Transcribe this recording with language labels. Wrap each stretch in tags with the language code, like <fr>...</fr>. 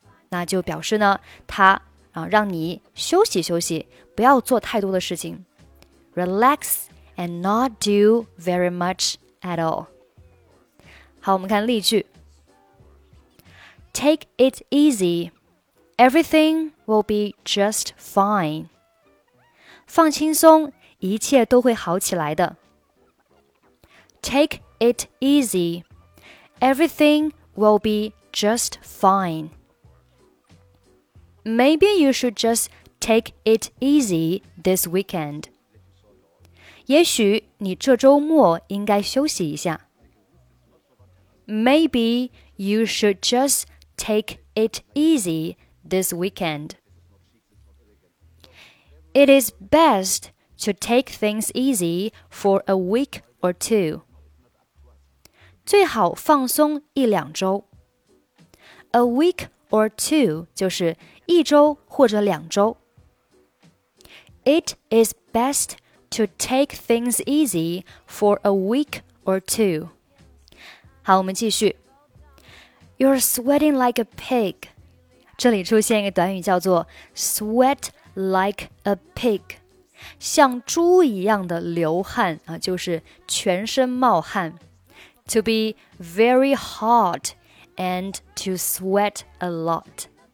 <zh>那就表示呢，他让你休息休息，不要做太多的事情。</zh> <en>Relax and not do very much at all.</en> <zh>好，我们看例句。</zh> <en>Take it easy. Everything will be just fine.</en> <zh>放轻松，一切都会好起来的。</zh> <en>Take it easy. Everything will be just fine. Maybe you should just take it easy this weekend.</en> <zh>也许你这周末应该休息一下。</zh> <en>Maybe you should just take it easy this weekend. It is best to take things easy for a week or two.</en> <zh>最好放松一两周。</zh> <en>A week or two</en> <zh>就是一周或者两周。</zh> <en>It is best to take things easy for a week or two.</en> <zh>好，我们继续。</zh> <en>You're sweating like a pig.</en> <zh>这里出现一个短语叫做</zh> <en>sweat like a pig.</en> <zh>像猪一样的流汗，就是全身冒汗。</zh> <en>To be very hot and to sweat a lot.</en>